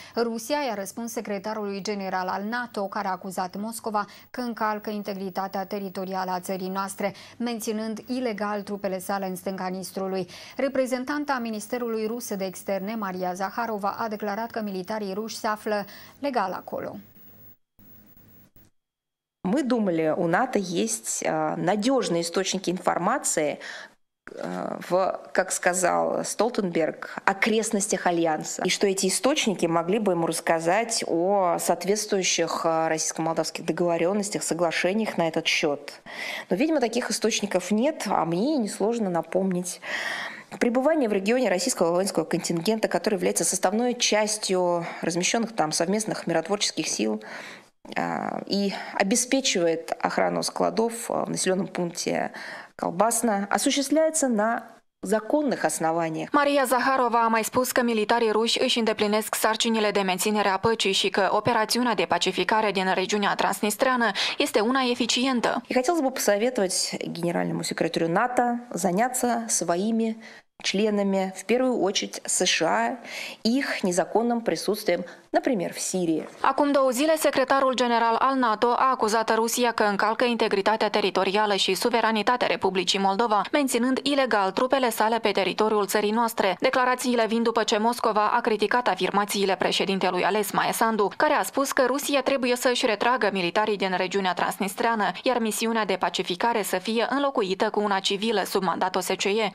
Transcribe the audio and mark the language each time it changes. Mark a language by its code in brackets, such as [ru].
[ro] Rusia i-a răspuns secretarului general al NATO, care a acuzat Moscova că încalcă integritatea teritorială a țării noastre, menținând ilegal trupele sale în stânga Nistrului. Reprezentanta Ministerului Rus de Externe, Maria Zaharova, a declarat că militarii ruși se află legal acolo. [ru] Мы думали, у НАТО есть надежные источники информации в, как сказал Столтенберг, окрестностях Альянса. И что эти источники могли бы ему рассказать о соответствующих российско-молдавских договоренностях, соглашениях на этот счет. Но, видимо, таких источников нет, а мне несложно напомнить. Пребывание в регионе российского воинского контингента, который является составной частью размещенных там совместных миротворческих сил, и обеспечивает охрану складов в населенном пункте Колбасна, осуществляется на законных основаниях. [ro] Мария Захарова a mai spus că militarii ruși își îndeplinesc sarcinile de menținere a păcii și că operațiunea de pacificare din regiunea Transnistreană este una eficientă. [ru] И хотелось бы посоветовать генеральному секретарю НАТО заняться своими членами, в первую очередь США, их незаконным присутствием, например, в Сирии. [ro] Acum două zile, secretarul general al NATO a acuzat Rusia că încalcă integritatea teritorială și suveranitatea Republicii Moldova, menținând ilegal trupele sale pe teritoriul țării noastre. Declarațiile vin după ce Moscova a criticat afirmațiile președintelui ales Maia Sandu, care a spus că Rusia trebuie să își retragă militarii din regiunea Transnistreană, iar misiunea de pacificare să fie înlocuită cu una civilă sub mandat OSCE.